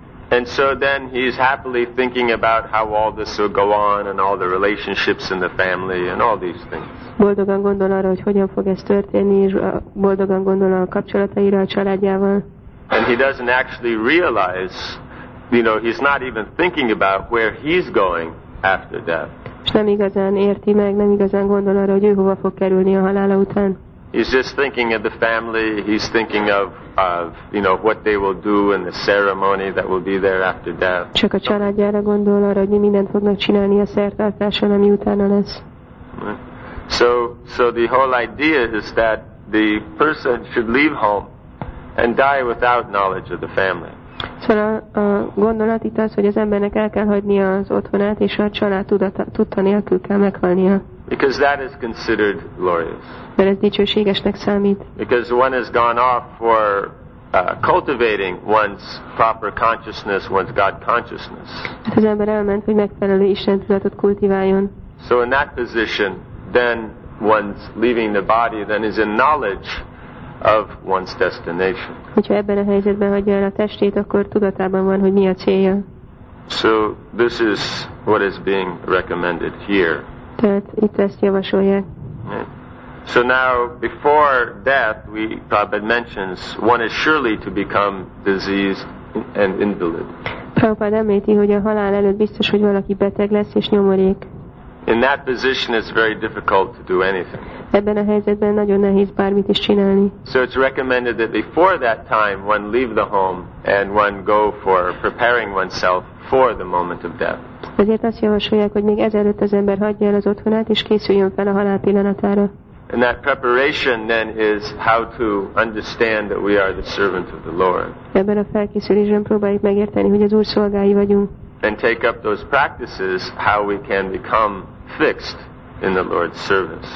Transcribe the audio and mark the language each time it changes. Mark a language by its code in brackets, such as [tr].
[en] And so then he's happily thinking about how all this will go on and all the relationships in the family and all these things. [hu] Boldogan gondol arra, hogy hogyan fog ez történni, és boldogan gondol a kapcsolataira a családjával. [en] And he doesn't actually realize, you know, he's not even thinking about where he's going after death. [hu] És nem igazán érti meg, nem igazán gondol arra, hogy ő hova fog kerülni a halála után. [en] He's just thinking of the family, he's thinking of, you know, what they will do and the ceremony that will be there after death. [hu] Csak a családjára gondol arra, hogy mindent fognak csinálni a szertartáson, ami utána lesz. [en] So the whole idea is that the person should leave home and die without knowledge of the family. [hu] Szóval a gondolat itt az, hogy az embernek el kell hagynia az otthonát, és a család tudta nélkül kell meghalnia. [en] Because that is considered glorious. [hu] Mert ez dicsőségesnek számít. [en] Because one has gone off for cultivating one's proper consciousness, one's God consciousness. [hu] Hát az ember elment, hogy megfelelő Isten tudatot kultiváljon. [en] So in that position, then one's leaving the body, then is in knowledge of one's destination. [hu] Hogyha ebben a helyzetben hagyja el a testét, akkor tudatában van, hogy mi a célja. [en] So this is what is being recommended here. [hu] Tehát itt ezt javasolják. [en] So now, before death, we Prabhupada mentions one is surely to become diseased and invalid. [hu] Prabhupada említi, hogy a halál előtt biztos, hogy valaki beteg lesz és nyomorék. [en] In that position, it's very difficult to do anything. [hu] Ebben a helyzetben nagyon nehéz bármit is csinálni. [en] So it's recommended that before that time, one leave the home and one go for preparing oneself for the moment of death. [hu] Ezért azt javasolják, hogy még ezelőtt az ember hagyja el az otthonát és készüljön fel a halál pillanatára. [en] And that preparation then is how to understand that we are the servant of the Lord. [hu] Ebben a felkészülésben próbáljuk megérteni, hogy az Úr szolgái vagyunk. [en] And take up those practices how we can become fixed in the Lord's service.